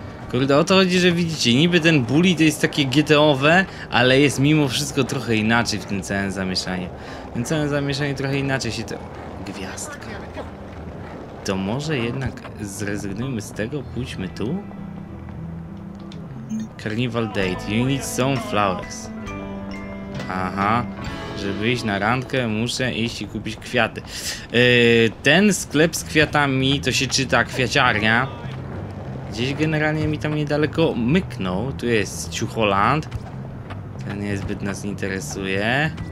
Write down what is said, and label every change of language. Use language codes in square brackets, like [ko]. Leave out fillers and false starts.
[pl] Kurde, o to chodzi, że widzicie, niby ten bully to jest takie GTO-owe, ale jest mimo wszystko trochę inaczej w tym całym zamieszaniu. W tym całym zamieszaniu trochę inaczej się to... Gwiazdka. To może jednak zrezygnujmy z tego, pójdźmy tu? [en] Carnival date, you need some flowers. [pl] Aha, żeby iść na randkę, muszę iść i kupić kwiaty. Ten sklep z kwiatami, to się czyta kwiaciarnia. Gdzieś generalnie mi tam niedaleko myknął. Tu jest Ciucholand. Ten niezbyt nas interesuje.